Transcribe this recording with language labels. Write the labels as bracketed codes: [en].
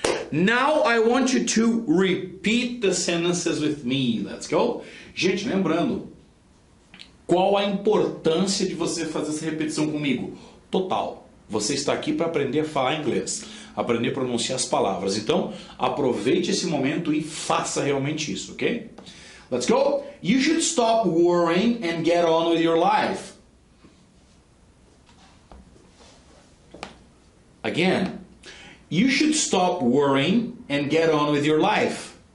[en] Now I want you to repeat the sentences with me. Let's go. [pt] Gente, lembrando, qual a importância de você fazer essa repetição comigo? Total. Você está aqui para aprender a falar inglês, aprender a pronunciar as palavras. Então, aproveite esse momento e faça realmente isso, ok? [en] Let's go! You should stop worrying and get on with your life. Again. You should stop worrying and get on with your life.